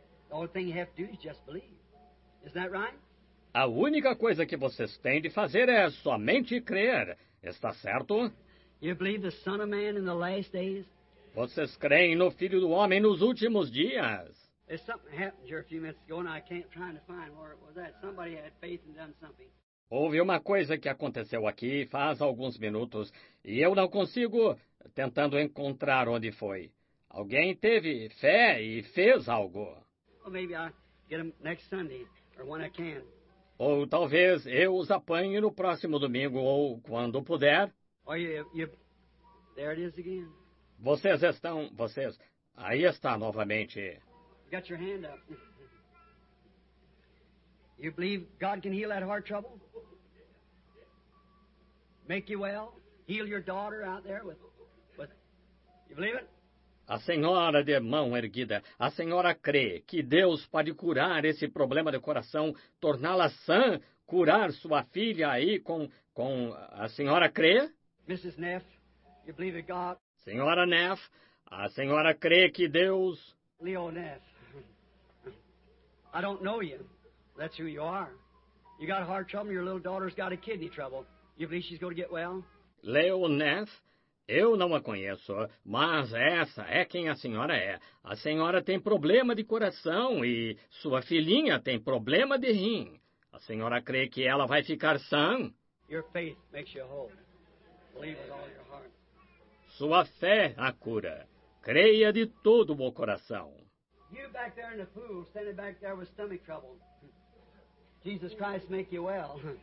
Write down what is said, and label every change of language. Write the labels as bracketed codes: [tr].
[en] The only thing you have to do is just believe. Isn't that right? [pt] A única coisa que vocês têm de fazer é somente crer. Está certo? [en] You believe the Son of Man in the last days? [pt] Vocês creem no Filho do Homem nos últimos dias? [en] There's something happened here a few minutes ago, and I can't try to find where it was at. Somebody had faith and done something. [pt] Houve uma coisa que aconteceu aqui faz alguns minutos, e eu não consigo tentando encontrar onde foi. Alguém teve fé e fez algo. [en] Well, maybe I'll get them next Sunday, or when I can. [pt] Ou talvez eu os apanhe no próximo domingo, ou quando puder. [en] There it is again. [pt] Vocês estão... Vocês... Aí está novamente. [en] You got your hand up. You believe God can heal that heart trouble? Make you well? Heal your daughter out there with... You believe it? [pt] A senhora de mão erguida, a senhora crê que Deus pode curar esse problema de coração, torná-la sã, curar sua filha aí com... A senhora crê? [en] Mrs. Neff, you believe in God? [pt] Senhora Neff, a senhora crê que Deus... [en] Leo Neff, I don't know you. That's who you are. You got heart trouble, your little daughter's got a kidney trouble. You believe she's going to get well? [pt] Leo Neff, eu não a conheço, mas essa é quem a senhora é. A senhora tem problema de coração e sua filhinha tem problema de rim. A senhora crê que ela vai ficar sã? [en] Your faith makes you whole. Believe with all your heart. [pt] Sua fé a cura. Creia de todo o coração. [en] You back there in the pool, standing back there with stomach trouble. Jesus Christ make you well.